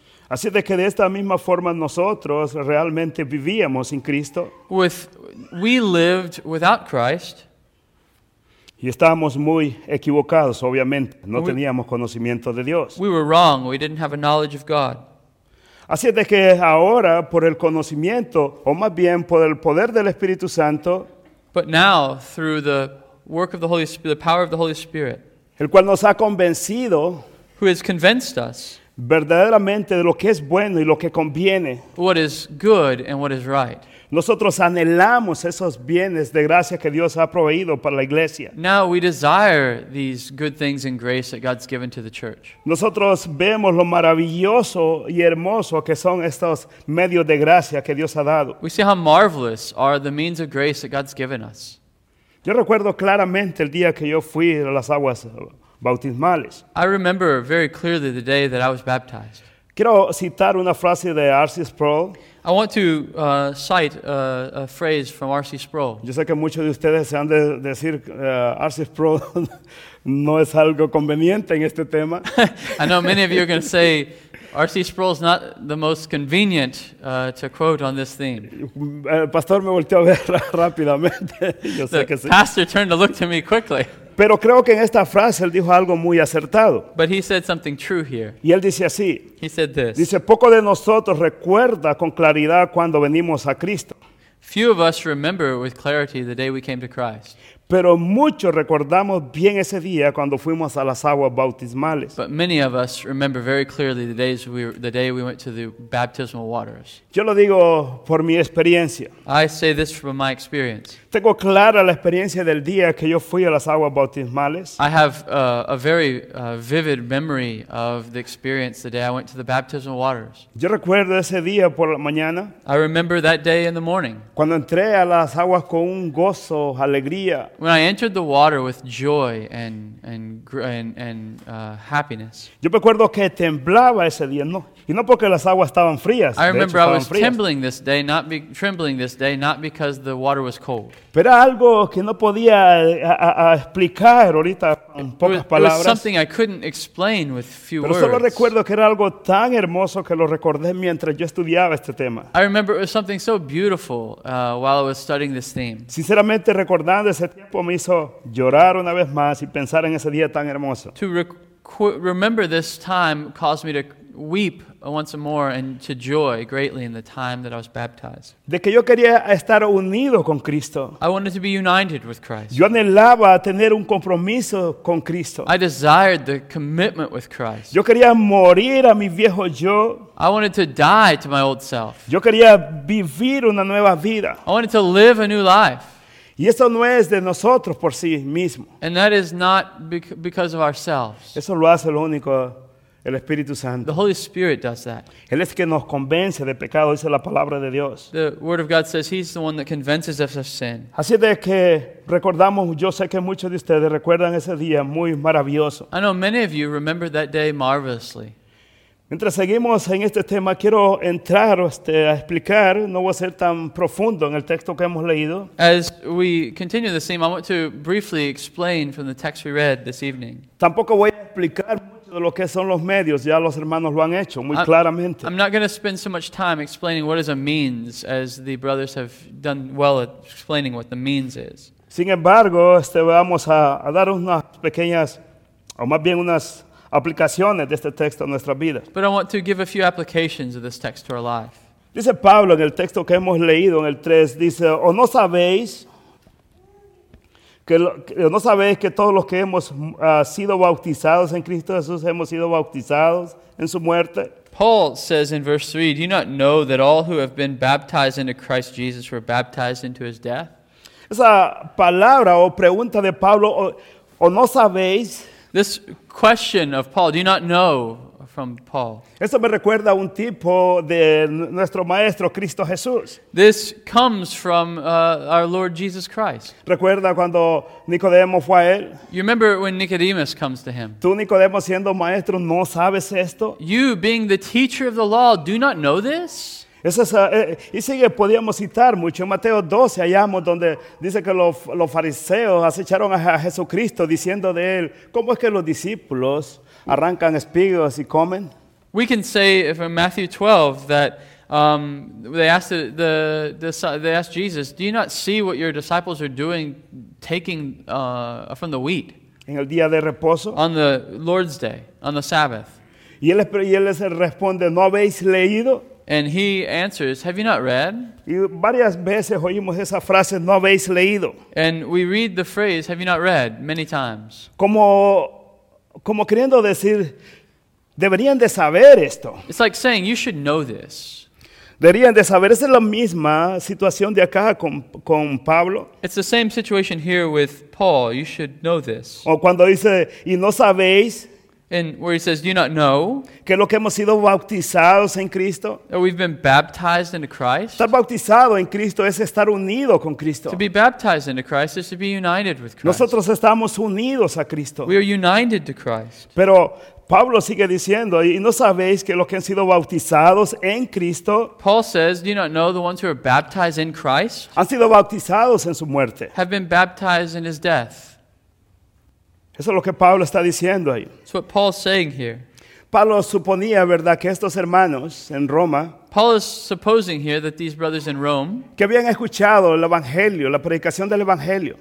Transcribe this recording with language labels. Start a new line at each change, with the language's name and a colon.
Spanish: Así de que de esta misma forma nosotros realmente vivíamos sin Cristo.
English: We lived without Christ.
Spanish: Y estábamos muy equivocados, obviamente. No teníamos conocimiento de Dios.
English: We were wrong. We didn't have a knowledge of God.
Spanish: Así es de que ahora, por el conocimiento, o más bien por el poder del Espíritu Santo,
English: but now, through the work of the Holy Spirit, the power of the Holy Spirit,
Spanish: el cual nos ha convencido,
English: who has convinced us,
Spanish: verdaderamente de lo que es bueno y lo que conviene,
English: what is good and what is right.
Spanish: Nosotros anhelamos esos bienes de gracia que Dios ha proveído para la iglesia.
English: Now we desire these good things and grace that God's given to the church.
Spanish: Nosotros vemos lo maravilloso y hermoso que son estos medios de gracia que Dios ha dado.
English: We see how marvelous are the means of grace that God's given us.
Spanish: Yo recuerdo claramente el día que yo fui a las aguas bautismales.
English: I remember very clearly the day that I was baptized.
Spanish: Quiero citar una frase de R.C. Sproul.
English: I want to cite a phrase from R.C. Sproul.
Spanish: Yo sé que muchos de ustedes se han de decir R.C. Sproul no es algo conveniente en este tema.
English: I know many of you are going to say R.C. Sproul is not the most convenient to quote on this theme.
Spanish: Pastor me volteó a ver rápidamente. Yo sé que sí.
English: The pastor turned to look to me quickly.
Spanish: Pero creo que en esta frase él dijo algo muy acertado.
English: But he said something true here.
Spanish: Y él dice así.
English: He said this.
Spanish: Dice, poco de nosotros recuerda con claridad cuando venimos a Cristo.
English: Few of us remember with clarity the day we came to Christ.
Spanish: Pero muchos recordamos bien ese día cuando fuimos a las aguas bautismales.
English: But many of us remember very clearly the day we went to the baptismal waters.
Spanish: Yo lo digo por mi experiencia.
English: I say this from my experience.
Spanish: Tengo clara la experiencia del día que yo fui a las aguas bautismales.
English: I have a very vivid memory of the experience the day I went to the baptismal waters.
Spanish: Yo recuerdo ese día por la mañana.
English: I remember that day in the morning.
Spanish: Cuando entré a las aguas con un gozo, alegría.
English: When I entered the water with joy and happiness.
Spanish: Yo recuerdo que temblaba ese día, no. Y no porque las aguas estaban frías.
English: I remember
Spanish: de hecho,
English: I was
Spanish: frías.
English: trembling this day, not because the water was cold.
Spanish: Pero algo que no podía explicar ahorita en pocas palabras.
English: It was something I couldn't explain with few words.
Spanish: Pero solo recuerdo que era algo tan hermoso que lo recordé mientras yo estudiaba este tema.
English: I remember it was something so beautiful while I was studying this theme.
Spanish: Sinceramente, recordando ese tiempo me hizo llorar una vez más y pensar en ese día tan hermoso.
English: To remember this time caused me to weep once more and to joy greatly in the time that I was baptized.
Spanish: De que yo quería estar unido con Cristo.
English: I wanted to be united with Christ.
Spanish: Yo anhelaba tener un compromiso con Cristo.
English: I desired the commitment with Christ.
Spanish: Yo quería morir a mi viejo yo.
English: I wanted to die to my old self.
Spanish: Yo quería vivir una nueva vida.
English: I wanted to live a new life.
Spanish: Y eso no es de nosotros por sí mismo.
English: And that is not because of ourselves.
Spanish: Eso lo hace lo único. El Espíritu Santo.
English: The Holy Spirit does that.
Spanish: Él es que nos convence de pecado, dice la palabra de Dios.
English: The Word of God says He's the one that convinces us of sin.
Spanish: Así de que recordamos, yo sé que muchos de ustedes recuerdan ese día muy maravilloso.
English: I know many of you remember that day marvelously.
Spanish: Mientras seguimos en este tema, quiero entrar a explicar, no voy a ser tan profundo en el texto que hemos leído.
English: As we continue the theme, I want to briefly explain from the text we read this evening.
Spanish: Tampoco voy a explicar de lo que son los medios, ya los hermanos lo han hecho muy claramente.
English: I'm not going to spend so much time explaining what is a means, as the brothers have done well at explaining what the means is.
Spanish: Sin embargo, vamos a dar unas pequeñas, o más bien unas aplicaciones de este texto a nuestra vida.
English: But I want to give a few applications of this text to our life.
Spanish: Dice Pablo en el texto que hemos leído en el 3, dice, o no sabéis que todos los que hemos sido bautizados en Cristo Jesús hemos sido bautizados en su muerte.
English: Paul says in verse 3, do you not know that all who have been baptized into Christ Jesus were baptized into his death?
Spanish: Esa palabra o pregunta de Pablo, o no sabéis.
English: This question of Paul, do you not know from Paul.
Spanish: Eso me recuerda a un tipo de nuestro maestro Cristo Jesús.
English: This comes from our Lord Jesus Christ.
Spanish: Recuerda cuando Nicodemo fue a él.
English: You remember when Nicodemus comes to him.
Spanish: Tú Nicodemo siendo maestro no sabes esto.
English: You being the teacher of the law, do not know this?
Spanish: Y sigue, podíamos citar mucho. En Mateo 12 hallamos donde dice que los fariseos acecharon a Jesucristo diciendo de él, ¿cómo es que los discípulos arrancan espigas y comen?
English: We can say from Matthew 12 that they asked Jesus, do you not see what your disciples are doing taking from the wheat?
Spanish: En el día de reposo.
English: On the Lord's Day, on the Sabbath.
Spanish: Y él les responde, ¿no habéis leído?
English: And he answers, have you not read?
Spanish: Y varias veces oímos esa frase, ¿no habéis leído?
English: And we read the phrase, have you not read, many times.
Spanish: Como queriendo decir, deberían de saber esto.
English: It's like saying, you should know this.
Spanish: Deberían de saber. Esa es la misma situación de acá con Pablo.
English: It's the same situation here with Paul. You should know this.
Spanish: O cuando dice, y no sabéis.
English: And where he says, do you not know?
Spanish: Que lo que hemos sido bautizados en Cristo.
English: That we've been baptized into Christ.
Spanish: Estar bautizado en Cristo es estar unido con Cristo.
English: To be baptized into Christ is to be united with Christ.
Spanish: Nosotros estamos unidos a Cristo.
English: We are united to Christ.
Spanish: Pero Pablo sigue diciendo, y no sabéis que los que han sido bautizados en Cristo.
English: Paul says, do you not know the ones who are baptized in Christ?
Spanish: Han sido bautizados en su muerte.
English: Have been baptized in his death.
Spanish: Eso es lo que Pablo está diciendo ahí.
English: That's what Paul's saying here.
Spanish: Pablo suponía, ¿verdad?, que estos hermanos en Roma.
English: Paul is supposing here that these brothers in Rome.
Spanish: Que habían escuchado el Evangelio, la predicación del Evangelio.